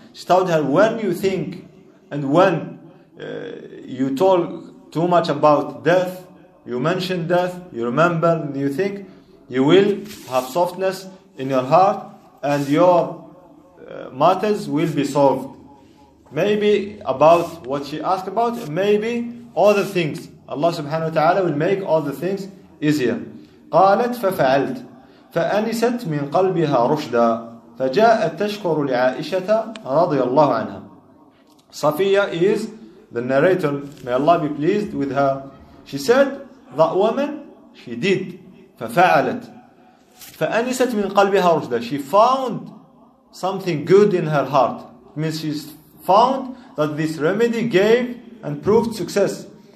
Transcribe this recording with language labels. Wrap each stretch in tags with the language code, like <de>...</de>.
<en>She told her, when you think and when you talk too much about death, you mention death, you remember and you think, you will have softness in your heart and your matters will be solved. Maybe about what she asked about, maybe all the things. Allah subhanahu wa ta'ala will make all the things easier.</en> <ar>قالت ففعلت فأنست من قلبها رشدا فجاءت تشكر لعائشة رضي الله عنها.</ar> <en>Safiya is the narrator. May Allah be pleased with her. She said, that woman, she did.</en> <ar>ففعلت فأنست من قلبها رشدا.</ar> <en>She found something good in her heart. It means she's found that this remedy gave and proved success.</en>